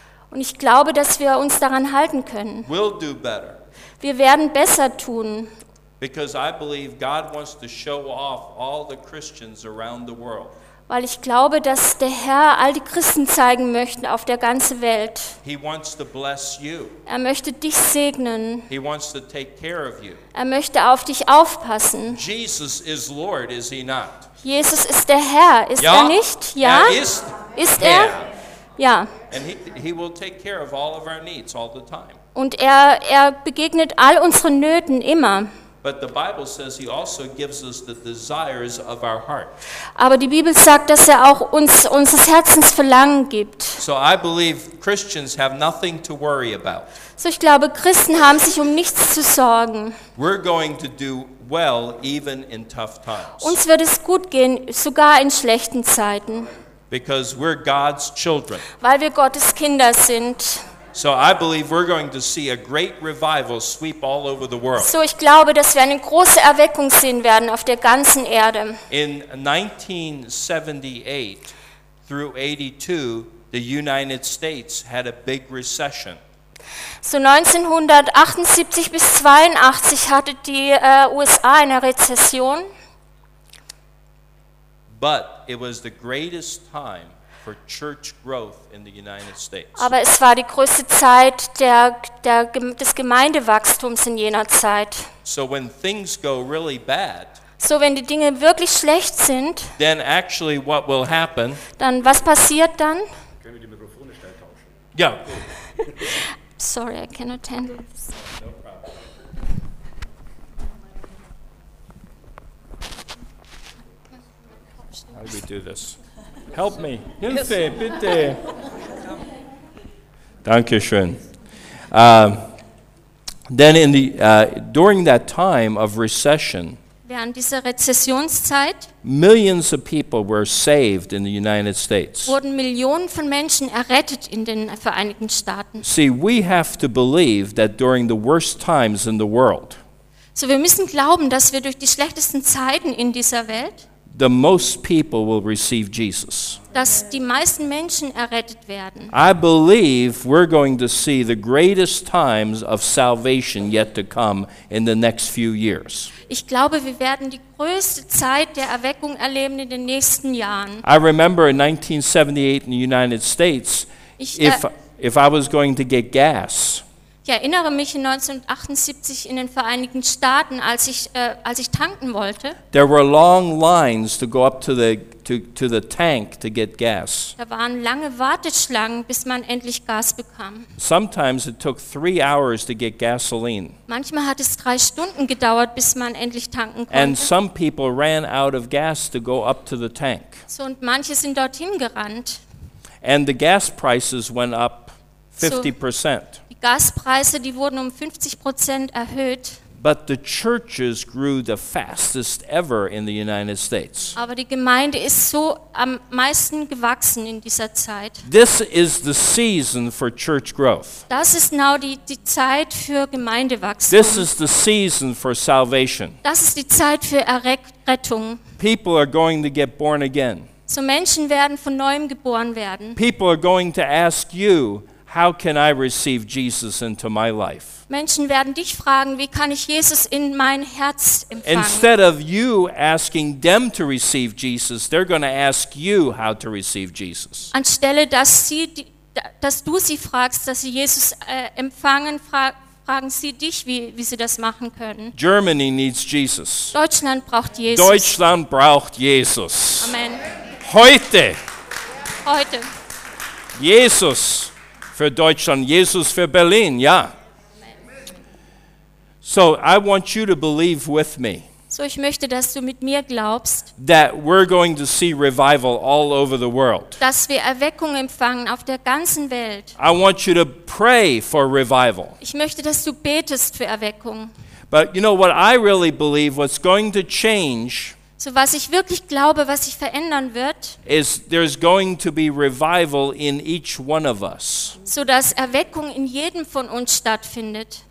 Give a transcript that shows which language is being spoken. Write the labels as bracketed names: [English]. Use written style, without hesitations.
[German] Und ich glaube, dass wir uns daran halten können. [English] We'll do better. [German] Wir werden besser tun. [English] Because I believe God wants to show off all the Christians around the world. [German] Weil ich glaube, dass der Herr all die Christen zeigen möchte auf der ganzen Welt. [English] He wants to bless you. [German] Er möchte dich segnen. [English] He wants to take care of you. [German] Er möchte auf dich aufpassen. [English] Jesus is Lord, is he not? [German] Jesus ist der Herr, ist ja. er nicht? Ja. Ist er? Ja. [English] And he will take care of all of our needs all the time. [German] Und er begegnet all unseren Nöten immer. [English] But the Bible says he also gives us the desires of our heart. [German] Aber die Bibel sagt, dass er auch uns unseres Herzens Verlangen gibt. [English] So I believe Christians have nothing to worry about. [German] So ich glaube, Christen haben sich um nichts zu sorgen. [English] We're going to do well even in tough times. [German] Uns wird es gut gehen, sogar in schlechten Zeiten. [English] Because we're God's children. [German] Weil wir Gottes Kinder sind. [English] So I believe we're going to see a great revival sweep all over the world. [German] So ich glaube, dass wir eine große Erweckung sehen werden auf der ganzen Erde. [English] In 1978 through 82, the United States had a big recession. [German] So 1978 bis 82 hatte die USA eine Rezession. [English] But it was the greatest time for church growth in the United States. [German] Aber es war die größte Zeit des Gemeindewachstums in jener Zeit. [English] So when things go really bad, [German] so wenn die Dinge wirklich schlecht sind, [English] then actually what will happen? [German] Dann was passiert dann? Können wir die Mikrofone schnell tauschen? Ja. [English] Sorry, I cannot handle this. No problem. How do we do this? Help me. [German] Hilfe, bitte. Danke schön. [English] Then in the during that time of recession, [German] während dieser Rezessionszeit, [English] millions of people were saved in the United States. [German] Wurden Millionen von Menschen errettet in den Vereinigten Staaten. [English] See, we have to believe that during the worst times in the world. [German] So wir müssen glauben, dass wir durch die schlechtesten Zeiten in dieser Welt [English] the most people will receive Jesus. [German] Dass die meisten Menschen errettet werden. [English] I believe we're going to see the greatest times of salvation yet to come in the next few years. [German] Ich glaube, wir werden die größte Zeit der Erweckung erleben in den nächsten Jahren. [English] I remember in 1978 in the United States, if I was going to get gas. [German] Ich erinnere mich in 1978 in den Vereinigten Staaten, als ich tanken wollte. [English] There were long lines to go up to the tank to get gas. [German] Da waren lange Warteschlangen, bis man endlich Gas bekam. [English] Sometimes it took 3 hours to get gasoline. [German] Manchmal hat es 3 Stunden gedauert, bis man endlich tanken konnte. [English] And some people ran out of gas to go up to the tank. [German] So und manche sind dorthin gerannt. [English] And the gas prices went up 50%. So, [German] Gaspreise, die wurden 50% erhöht. [English] But the churches grew the fastest ever in the United States. [German] Aber die Gemeinde ist so am meisten gewachsen in dieser Zeit. [English] This is the season for church growth. [German] Das ist now die Zeit für Gemeindewachstum. [English] This is the season for salvation. [German] Das ist die Zeit für Errettung. [English] People are going to get born again. [German] So Menschen werden von neuem geboren werden. [English] People are going to ask you, how can I receive Jesus into my life? [German] Menschen werden dich fragen, wie kann ich Jesus in mein Herz empfangen? [English] Instead of you asking them to receive Jesus, they're going to ask you how to receive Jesus. [German] Anstelle dass du sie fragst, dass sie Jesus empfangen, fragen sie dich, wie sie das machen können. [English] Germany needs Jesus. [German] Deutschland braucht Jesus. Deutschland braucht Jesus. Amen. Heute. Heute. Jesus. Für Deutschland, Jesus für Berlin, ja. [English] So I want you to believe with me. [German] So ich möchte, dass du mit mir glaubst. [English] That we're going to see revival all over the world. [German] Dass wir Erweckung empfangen auf der ganzen Welt. [English] I want you to pray for revival. [German] Ich möchte, dass du betest für Erweckung. [English] But you know what I really believe, what's going to change, [German] so was ich wirklich glaube, was sich verändern wird, [English] is there's going to be revival in each one of us. [German] So dass Erweckung in jedem von uns stattfindet.